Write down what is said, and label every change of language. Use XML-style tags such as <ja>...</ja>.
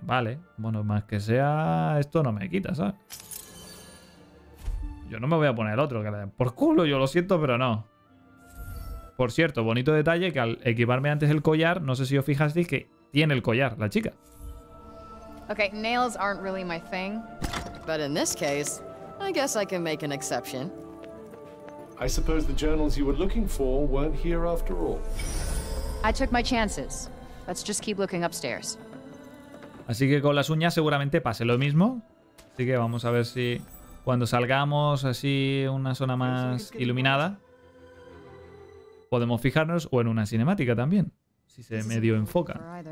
<es>Vale. Bueno, más que sea... Esto no me quita, ¿sabes? Yo no me voy a poner otro. Que le... Por culo, yo lo siento, pero no. Por cierto, bonito detalle que al equiparme antes el collar, no sé si os fijasteis que tiene el collar, la chica.</es> <en>Ok, nails aren't really my thing. But in this case, I guess I can make an exception. I suppose the journals you were looking for weren't here after all. I took my chances. Let's just keep looking upstairs.</en> <es>Así que con las uñas seguramente pase lo mismo. Así que vamos a ver si cuando salgamos así una zona más iluminada podemos fijarnos o en una cinemática también, si se medio enfoca.</es>